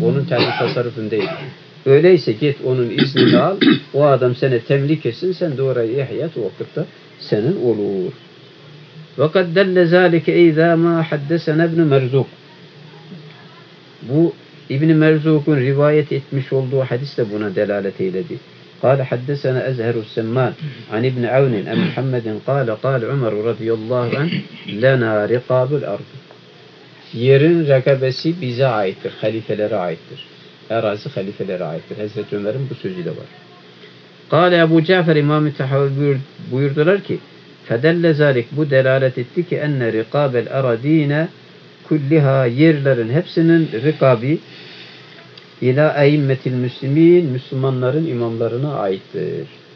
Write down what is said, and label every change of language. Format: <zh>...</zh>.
<tr>Onun tercih tasarrufundaydı. Öyleyse git onun iznini al. O adam seni temlik etsin. Sen de orayı ihyat o vakitte senin olur.</tr> <ar>Ve kaddelle zâlike eyzâ mâ haddesen ebn-i merzûk.</ar> <tr>Bu İbn-i Merzuk'un rivayet etmiş olduğu hadis de buna delalet eyledi.</tr> <ar>قال حدثنا أزهر السمان عن ابن عون عن محمد قال قال عمر رضي الله عنه لنا رقاب الأرض.</ar> <tr>Yerin rekabesi bize aittir, halifelere aittir. Arazi halifelere aittir. Hazreti Ömer'in bu sözü de var.</tr> <ar>قال أبو جعفر إمام التحاوي</ar> <tr>buyurdular ki</tr> <ar>فَدَلَّ ذَلِكَ</ar> <tr>bu delalet etti ki</tr> <ar>اَنَّ رِقَابَ الْأَرَد۪ينَ كُلِّهَا</ar> <tr>yerlerin hepsinin rikabi</tr> <ar>ila eyyimmetil müslimin</ar> <tr>müslümanların imamlarına aittir.</tr>